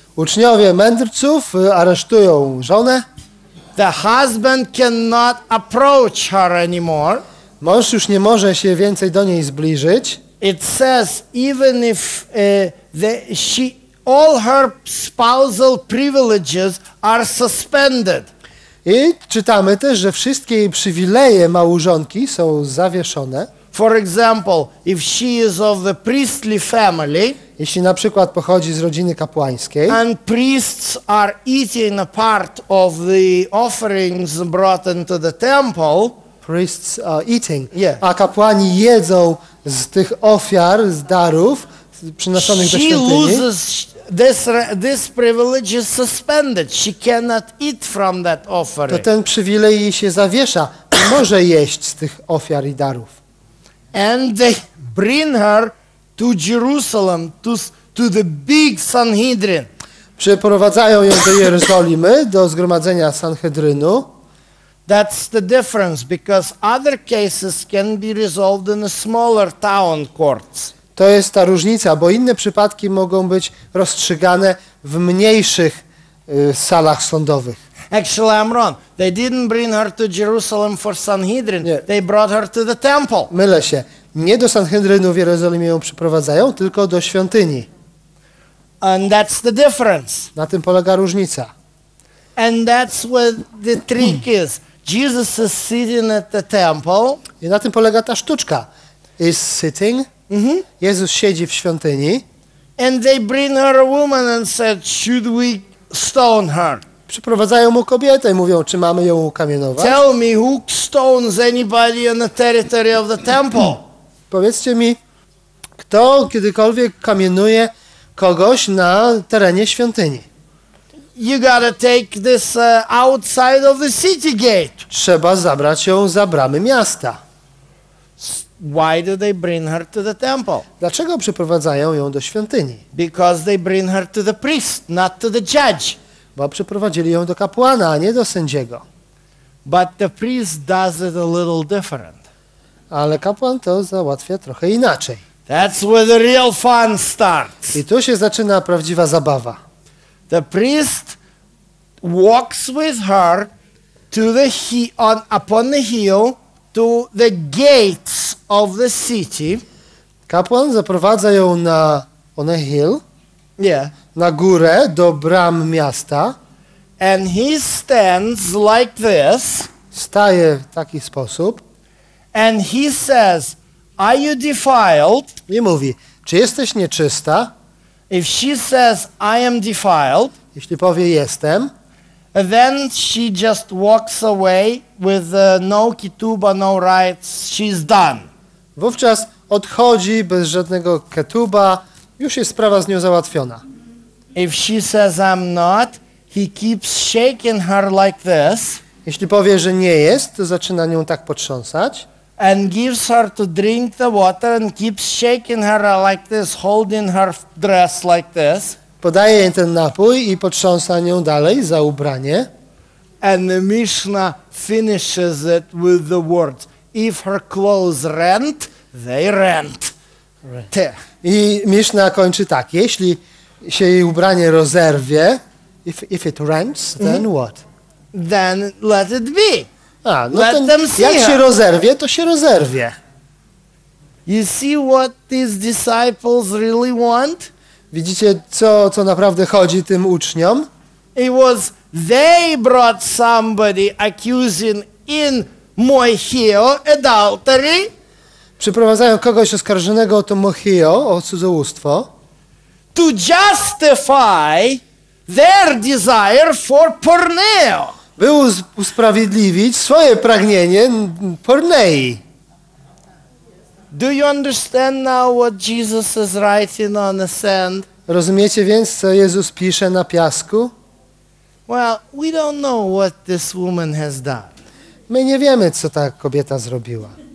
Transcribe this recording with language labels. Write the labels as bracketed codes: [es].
[pl] Uczniowie mędrców aresztują żonę. [en] The husband cannot approach her anymore. [pl] Mąż już nie może się więcej do niej zbliżyć. [en] It says even if she all her spousal privileges are suspended. [pl] I czytamy też, że wszystkie jej przywileje małżonki są zawieszone. [en] For example, if she is of the priestly family, [pl] jeśli na przykład pochodzi z rodziny kapłańskiej, [en] and priests are eating a part of the offerings brought into the temple. Priests are eating. Yeah. [pl] A kapłani jedzą z tych ofiar, z darów przynoszonych do świątyni. [en] She loses this privilege is suspended. She cannot eat from that offering. [pl] To ten przywilej jej się zawiesza. Może jeść z tych ofiar i darów. [en] And they bring her to Jerusalem, to the big Sanhedrin. [pl] Przeprowadzają ją do Jerozolimy, do zgromadzenia Sanhedrynu. [en] That's the difference, because other cases can be resolved in a smaller town courts. [pl] To jest ta różnica, bo inne przypadki mogą być rozstrzygane w mniejszych salach sądowych. [en] Actually, I'm wrong. They didn't bring her to Jerusalem for Sanhedrin. [pl] Nie. [en] They brought her to the temple. [pl] Mylę się. Nie do Sanhedrynu w Jerozolimie ją przyprowadzają, tylko do świątyni. [en] And that's the difference. [pl] Na tym polega różnica. [en] And that's where the trick is. Jesus is sitting at the temple. [pl] I na tym polega ta sztuczka. [en] Is sitting. Mm-hmm. [pl] Jezus siedzi w świątyni. [en] And they bring her a woman and said, should we stone her? [pl] Przyprowadzają mu kobietę i mówią, czy mamy ją ukamienować? [en] Tell me, who stones anybody on the territory of the temple? [pl] Powiedzcie mi, kto kiedykolwiek kamienuje kogoś na terenie świątyni. [en] You gotta take this outside of the city gate. [pl] Trzeba zabrać ją za bramy miasta. [en] Why do they bring her to the temple? [pl] Dlaczego przyprowadzają ją do świątyni? [en] Because they bring her to the priest, not to the judge. [pl] Bo przyprowadzili ją do kapłana, a nie do sędziego. [en] But the priest does it a little different. [pl] Ale kapłan to załatwia trochę inaczej. [en] That's where the real fun starts. [pl] I tu się zaczyna prawdziwa zabawa. [en] The priest walks with her to the upon the hill to the gates of the city. [pl] Kapłan zaprowadza ją na [en] on a hill. Yeah. [pl] Na górę do bram miasta. [en] And he stands like this. [pl] Staje w taki sposób. [en] And he says, "Are you defiled?" [pl] I mówi, czy jesteś nieczysta? [en] If she says, "I am defiled," [pl] jeśli powie jestem, [en] then she just walks away with no ketuba, no rites. She's done. [pl] Wówczas odchodzi bez żadnego ketuba, już jest sprawa z nią załatwiona. [en] If she says, "I'm not," he keeps shaking her like this. [pl] Jeśli powie, że nie jest, to zaczyna nią tak potrząsać. [en] And gives her to drink the water and keeps shaking her like this, holding her dress like this. [pl] Podaje jej ten napój i potrząsa nią dalej za ubranie. [en] And the Mishnah finishes it with the words, if her clothes rent, they rent. Rent. [pl] I Mishnah kończy tak, jeśli się jej ubranie rozerwie, [en] if it rents, then what? Then let it be. [pl] Jak się rozerwie, to się rozerwie. [en] You see what these disciples really want? [pl] Widzicie, co naprawdę chodzi tym uczniom? [en] It was they brought somebody accusing in Mohio adultery. [pl] Przyprowadzają kogoś oskarżonego o to Mohio, o cudzołóstwo. [en] To justify their desire for porneo. [pl] By usprawiedliwić swoje pragnienie pornei. [en] Do you understand now what Jesus is writing on the sand? [pl] Rozumiecie więc, co Jezus pisze na piasku? [en] Well, we don't know what this woman has done. [pl] My nie wiemy, co ta kobieta zrobiła.